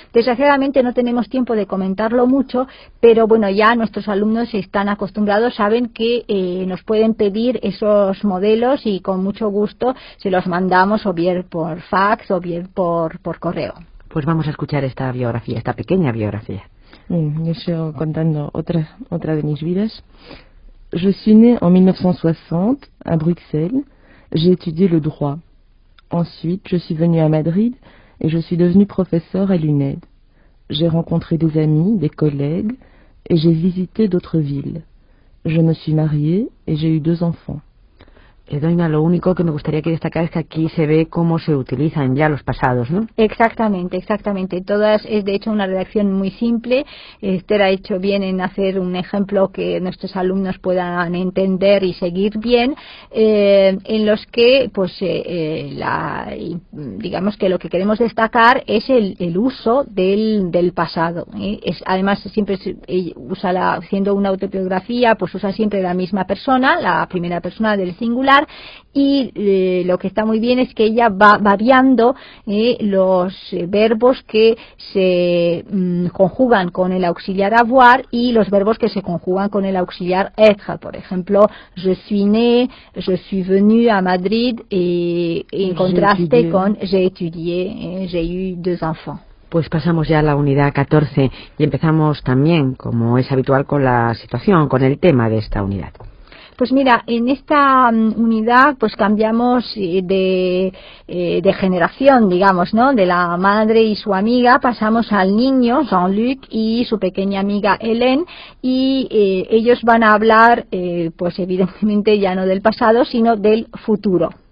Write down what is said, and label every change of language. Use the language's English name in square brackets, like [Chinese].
[Spanish] Desgraciadamente no tenemos tiempo de comentarlo mucho, pero bueno, ya nuestros alumnos están acostumbrados, saben que nos pueden pedir esos modelos y con mucho gusto se los mandamos, o bien por fax o bien por correo. Pues vamos a escuchar esta biografía, esta pequeña biografía. Yo sigo contando otra de mis vidas. [French] Je suis né en 1960 à Bruxelles. J'ai étudié le droit. Ensuite, je suis venu à Madrid et je suis devenu professeur à l'UNED. J'ai rencontré des amis, des collègues et j'ai visité d'autres villes. Je me suis marié et j'ai eu deux enfants. [Spanish] Edoina, lo único que me gustaría que destacar es que aquí se ve cómo se utilizan ya los pasados, ¿no? Exactamente, exactamente. Todas, es de hecho una redacción muy simple. Esther ha hecho bien en hacer un ejemplo que nuestros alumnos puedan entender y seguir bien, en los que, pues, digamos que lo que queremos destacar es el uso del pasado, ¿eh? Además, siempre usa haciendo una autobiografía, pues usa siempre la misma persona, la primera persona del singular. Y lo que está muy bien es que ella va variando los verbos que se conjugan con el auxiliar avoir y los verbos que se conjugan con el auxiliar être. Por ejemplo, je suis né, je suis venu à Madrid, en contraste con j'ai étudié, j'ai eu deux enfants. Pues pasamos ya a la unidad 14 y empezamos también, como es habitual, con la situación, con el tema de esta unidad. Pues mira, en esta unidad pues cambiamos de generación, digamos, ¿no? De la madre y su amiga pasamos al niño Jean-Luc y su pequeña amiga Hélène, y ellos van a hablar pues evidentemente ya no del pasado, sino del futuro.